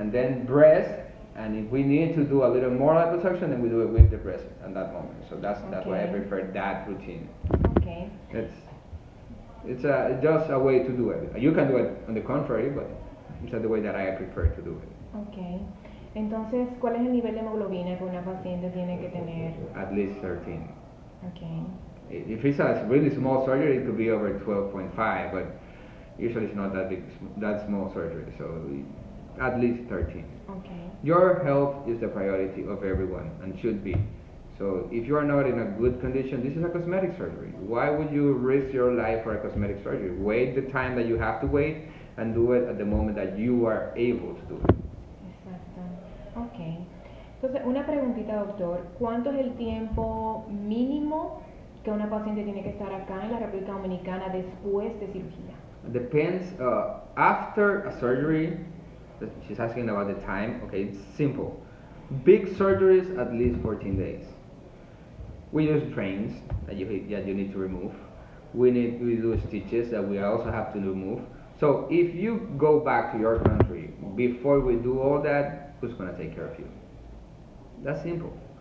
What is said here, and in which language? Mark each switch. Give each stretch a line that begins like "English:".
English: and then breast. And if we need to do a little more liposuction, then we do it with the breast at that moment. So that's why I prefer that routine. Okay. It's just a way to do it. You can do it on the contrary, but it's the way that I prefer to do it. Okay.
Spanish: Entonces, ¿cuál es el nivel de hemoglobina que una paciente tiene que tener?
English: At least 13. Okay. If it's a really small surgery, it could be over 12.5, but usually it's not that big, that small surgery. So at least 13. Okay. Your health is the priority of everyone and should be. So if you are not in a good condition, this is a cosmetic surgery. Why would you risk your life for a cosmetic surgery? Wait the time that you have to wait and do it at the moment that you are able to do it.
Spanish: Exacto. Okay. Entonces, una preguntita, doctor. ¿Cuánto es el tiempo mínimo que una paciente tiene que estar acá en la República Dominicana después de cirugía? Depends.
English: After a surgery, she's asking about the time. Okay, it's simple. Big surgeries, at least 14 days. We use drains that you need to remove. We do stitches that we also have to remove. So if you go back to your country before we do all that, who's going to take care of you? That's simple.